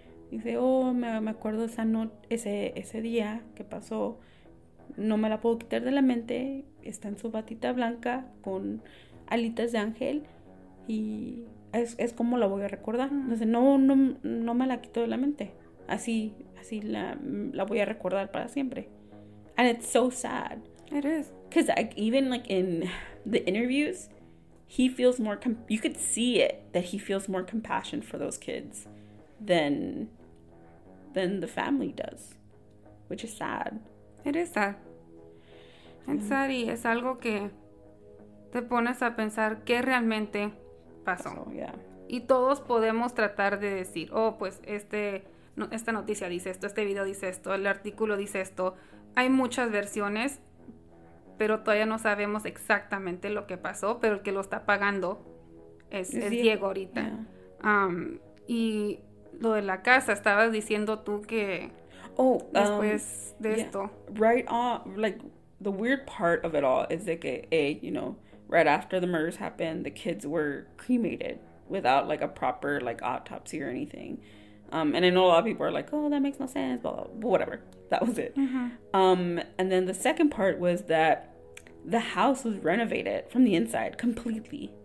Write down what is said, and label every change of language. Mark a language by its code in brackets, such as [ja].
[es] Dice, oh, me acuerdo esa no, ese día que pasó, no me la puedo quitar de la mente, está en su batita blanca con alitas de ángel y es como la voy a recordar. Dice, no, no, no me la quito de la mente, así la voy a recordar para siempre. [en] And it's so sad. It is. Because even like in the interviews, he feels more, you could see it, that he feels more compassion for those kids than the family does, which is sad. It is sad. It's sad [es] y es algo que te pones a pensar qué realmente pasó. Y todos podemos tratar de decir, oh, pues no, esta noticia dice esto, este video dice esto, el artículo dice esto. Hay muchas versiones, pero todavía no sabemos exactamente lo que pasó, pero el que lo está pagando es Diego ahorita. Y lo de la casa, estabas diciendo tú que después de esto. [en] Right on, like the weird part of it all is [es] de que, [en] right after the murders happened, the kids were cremated without like a proper like autopsy or anything. And I know a lot of people are like, oh, that makes no sense, blah, blah, blah, but whatever. That was it. And then the second part was that the house was renovated from the inside completely.